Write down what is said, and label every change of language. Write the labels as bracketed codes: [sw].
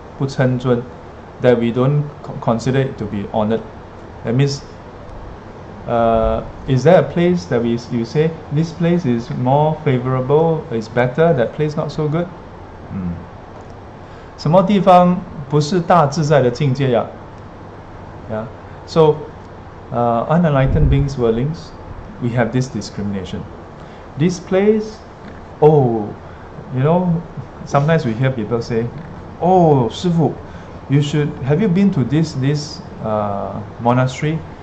[zh] 不称尊, [en] that we don't consider it to be honored. That means,is there a place that you say this place is more favorable, is better, that place not so good? [zh] 什么地方不是大自在的境界呀? [en] Yeah. So, unenlightened beings, worldlings, we have this discrimination. This place, sometimes we hear people say, oh, 师父, have you been to this monastery?